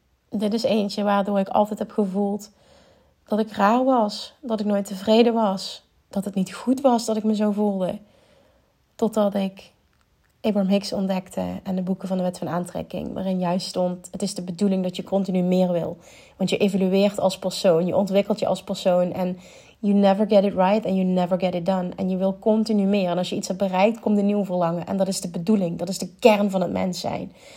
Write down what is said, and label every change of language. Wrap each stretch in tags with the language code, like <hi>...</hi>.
<nl>Dit is eentje waardoor ik altijd heb gevoeld dat ik raar was. Dat ik nooit tevreden was. Dat het niet goed was dat ik me zo voelde. Totdat ik Abraham Hicks ontdekte en de boeken van de wet van aantrekking. Waarin juist stond, het is de bedoeling dat je continu meer wil. Want je evolueert als persoon. Je ontwikkelt je als persoon.</nl> <en>En you never get it right and you never get it done.</en> <nl>En je wil continu meer. En als je iets hebt bereikt, komt een nieuw verlangen. En dat is de bedoeling. Dat is de kern van het mens zijn.</nl>